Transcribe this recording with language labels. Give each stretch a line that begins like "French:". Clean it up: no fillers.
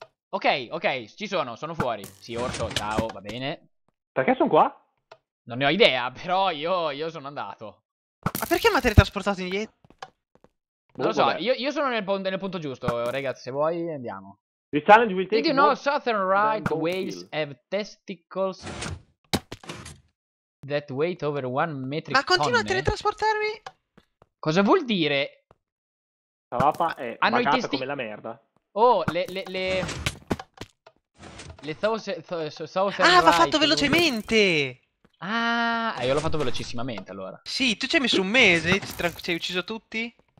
Italian: Ok, ci sono fuori. Sì, orso, ciao, va bene. Perché sono qua? Non ne ho idea, però io sono andato. Ma perché mi ha teletrasportato indietro? Non lo so, io sono nel punto giusto, ragazzi, se vuoi andiamo.
English: The challenge will take Did you know southern right whales have testicles that weigh over one metric
Italian: ton? Ma continua a teletrasportarmi? Cosa vuol dire? La papa è bagata come la merda. Oh, le southern right. Ah, va fatto velocemente! Ah, io l'ho fatto velocissimamente allora. Sì, tu ci hai messo un mese, ci hai ucciso tutti?